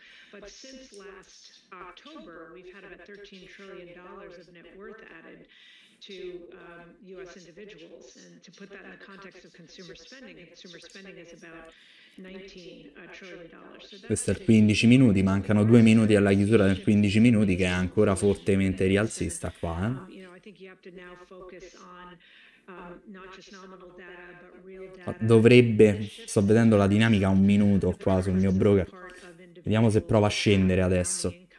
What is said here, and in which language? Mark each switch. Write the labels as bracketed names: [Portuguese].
[English] But since last October, we've had about $13 trillion of net worth added to U.S. individuals. And to put that in the context of consumer spending is about $19 trillion. [Italian] Questo è il 15 minuti, mancano 2 minuti alla chiusura del 15 minuti, che è ancora fortemente rialzista qua. [English] You know, I think you have to now focus on not just nominal data, but real data. [Italian] Dovrebbe, sto vedendo la dinamica, un minuto qua sul mio broker. Vediamo se prova a scendere adesso.